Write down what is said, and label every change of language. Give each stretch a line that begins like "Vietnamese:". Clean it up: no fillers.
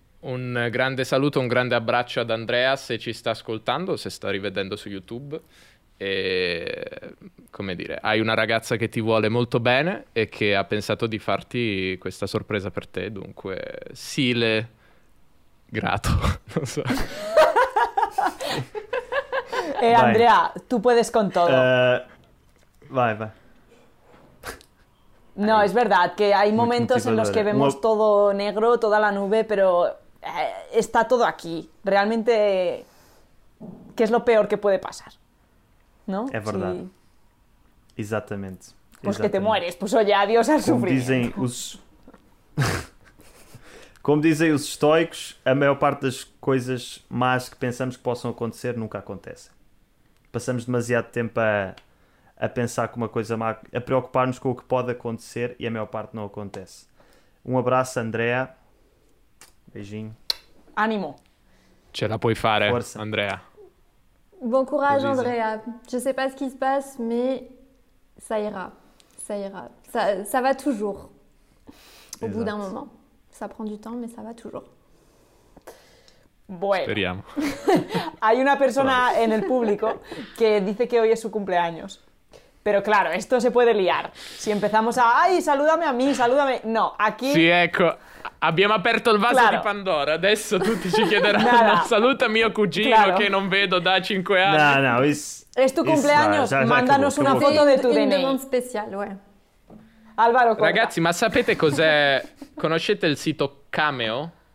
Italian: Un grande saluto, un grande abbraccio ad Andrea se ci sta ascoltando, se sta rivedendo su YouTube. E, come dire, hai una ragazza che ti vuole molto bene e che ha pensato di farti questa sorpresa per te, dunque sile grato, non so. E vai.
Spanish: Andrea, tu puedes con todo.
Italian: Vai, vai.
Spanish: No, es verdad que hay momentos en los que vemos todo negro, toda la nube, pero está todo aquí. Realmente, ¿qué es lo peor que puede pasar? ¿No?
Portuguese: É verdade. Sí. Exatamente.
Spanish: Pues
Portuguese: exatamente.
Spanish: Que te mueres, pues oye, adiós al sufrimiento.
Portuguese: Dizem os... Como dizem os estoicos, a maior parte das coisas más que pensamos que possam acontecer nunca acontecem. Passamos demasiado tempo a pensar com uma coisa má, a preocupar-nos com o que pode acontecer e a maior parte não acontece. Um abraço, Andrea. Beijinho.
Spanish: Ánimo.
Italian: Ce la puoi fare, força. Andrea.
French: Bon courage, Andrea. Je sais pas ce qui se passe, mais ça ira. Ça ira. Ça va toujours. Au bout d'un moment. Ça prend du temps, mais ça va toujours.
Spanish: Bueno.
Italian: Esperiamo.
Spanish: Hay una persona en el público que dice que hoy es su cumpleaños. Pero claro, esto se puede liar. Si empezamos a... ¡Ay, salúdame a mí, salúdame! No, aquí...
Italian: Sí, ecco. Abbiamo aperto il vaso claro. di Pandora, adesso tutti ci chiederanno no. saluta mio cugino claro. che non vedo da 5 anni.
Spanish: No, no, es tu cumpleaños, no, mandanos una foto di tu DNA.
French: Un special, ouais. Alvaro,
Italian: ragazzi, ma sapete cos'è? Conoscete il sito Cameo?